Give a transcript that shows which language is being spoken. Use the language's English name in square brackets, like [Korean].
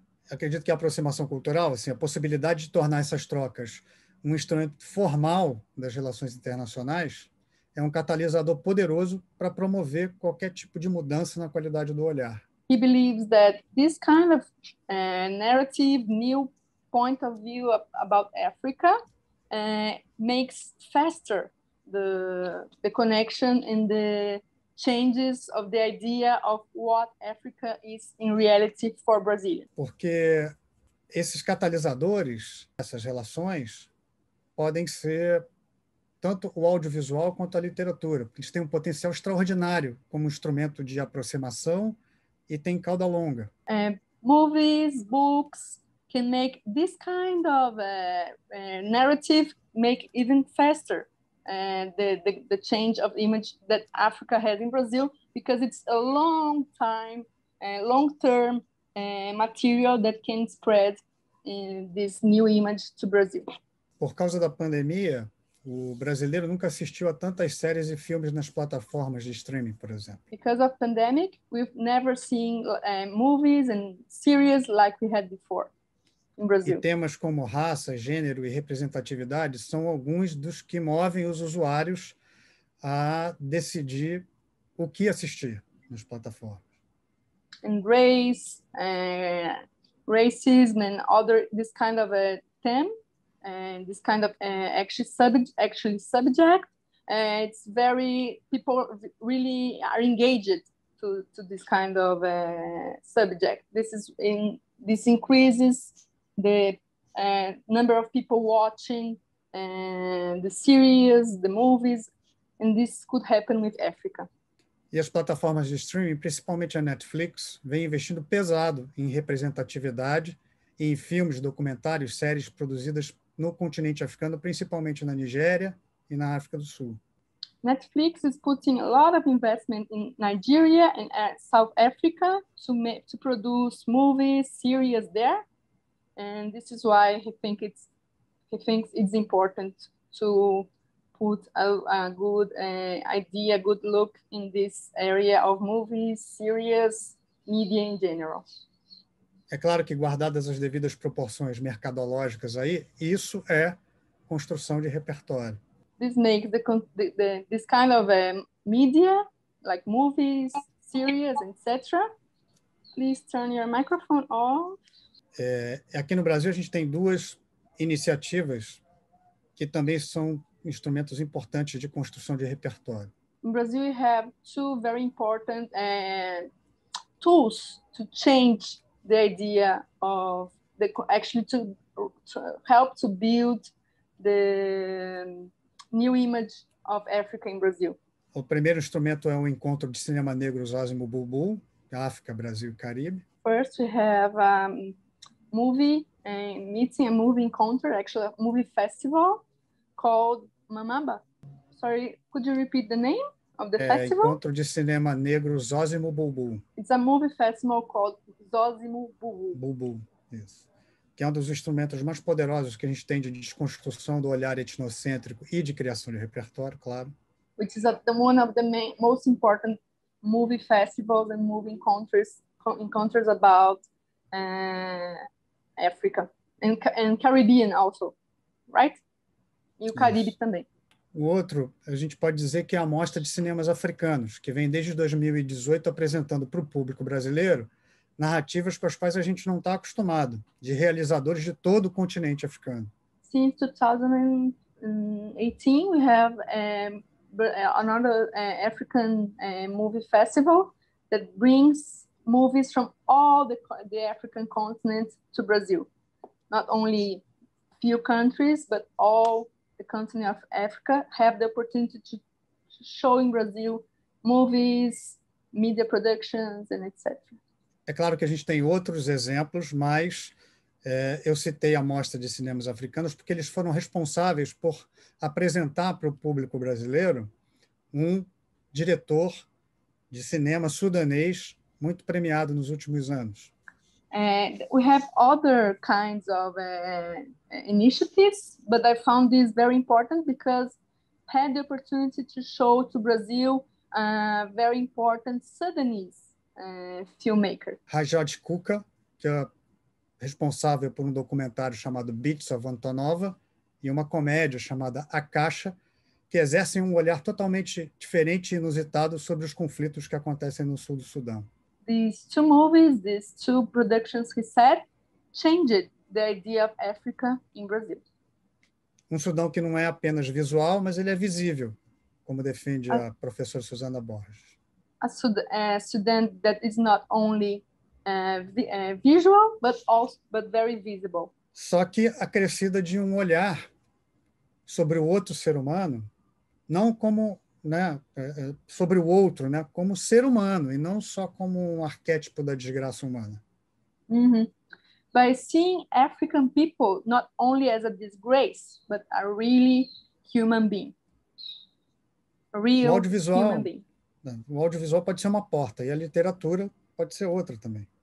[Portuguese] Acredito que a aproximação cultural, assim, a possibilidade de tornar essas trocas um instrumento formal das relações internacionais, é um catalisador poderoso para promover qualquer tipo de mudança na qualidade do olhar. [English] He believes that this kind of narrative, new point of view about Africa, makes faster the connection and the changes of the idea of what Africa is in reality for Brazil. [Portuguese] Porque esses catalisadores, essas relações, podem ser tanto o audiovisual quanto a literatura. Eles têm um potencial extraordinário como instrumento de aproximação e têm cauda longa. [English] Movies, books can make this kind of narrative make even faster the change of image that Africa has in Brazil, because it's a long time, long term material that can spread this new image to Brazil. [Portuguese] Por causa da pandemia, o brasileiro nunca assistiu a tantas séries e filmes nas plataformas de streaming, por exemplo. [English] Because of pandemic, we've never seen movies and series like we had before in Brazil. [Portuguese] E temas como raça, gênero e representatividade são alguns dos que movem os usuários a decidir o que assistir nas plataformas. [English] And race, racism and other this kind of a theme. And this kind of subject, it's very, people really are engaged to this kind of subject. This increases the number of people watching the series, the movies, and this could happen with Africa. [Portuguese] E as plataformas de streaming, principalmente a Netflix, vem investindo pesado em representatividade e em filmes, documentários, séries produzidas no continente africano, principalmente na Nigéria e na África do Sul. [English] Netflix is putting a lot of investment in Nigeria and South Africa to produce movies, series there. And this is why he thinks it's important to put a good idea, good look in this area of movies, series, media in general. [Portuguese] É claro que, guardadas as devidas proporções mercadológicas aí, isso é construção de repertório. [English] This makes this kind of media, like movies, series, etc. Please turn your microphone off. [Portuguese] Aqui no Brasil, a gente tem duas iniciativas que também são instrumentos importantes de construção de repertório. [English] In Brazil, we have two very important tools to change the idea of the actually to help to build the new image of Africa in Brazil. [Portuguese] O primeiro instrumento é o encontro de cinema negro Zazimo Bubu, África, Brasil e Caribe. [English] First we have a movie meeting, a movie encounter, actually a movie festival called Mamamba. Sorry, could you repeat the name? [Portuguese] Encontro de cinema negro Zózimo Bubu. [English] It's a movie festival called Zózimo Bubu. Bubu, yes. [Portuguese] Que é um dos instrumentos mais poderosos que a gente tem de desconstrução do olhar etnocêntrico e de criação de repertório, claro. [English] Which is one of the most important movie festivals and movie encounters about Africa and Caribbean also, right? [Portuguese] E o Caribe também. O outro, a gente pode dizer que é a Mostra de Cinemas Africanos, que vem desde 2018 apresentando para o público brasileiro narrativas com as quais a gente não está acostumado, de realizadores de todo o continente africano. [English] Since 2018, we have another African movie festival that brings movies from all the African continent to Brazil. Not only few countries, but all the continent of Africa have the opportunity to show in Brazil movies, media productions, and etc. [Portuguese] É claro que a gente tem outros exemplos, mas eu citei a Mostra de Cinemas Africanos porque eles foram responsáveis por apresentar para o público brasileiro um diretor de cinema sudanês muito premiado nos últimos anos. [English] And we have other kinds of initiatives, but I found this very important because I had the opportunity to show to Brazil a very important Sudanese filmmaker. [Portuguese] Rajad Kuka, que é responsável por um documentário chamado Beats of Antonova e uma comédia chamada A Caixa, que exercem um olhar totalmente diferente e inusitado sobre os conflitos que acontecem no sul do Sudão. [English] These two movies, these two productions, he said, changed the idea of Africa in Brazil. [Portuguese] Um Sudão que não é apenas visual, mas ele é visível, como defende a professora Susana Borges. [English] Sudan that is not only visual, but also but very visible. [Portuguese] Só que acrescida de um olhar sobre o outro ser humano, não como, né, sobre o outro, né, como ser humano e não só como um arquétipo da desgraça humana. Mm-hmm. [English] By seeing African people not only as a disgrace, but a really human being. A real human being. [Portuguese] O audiovisual pode ser uma porta e a literatura pode ser outra também.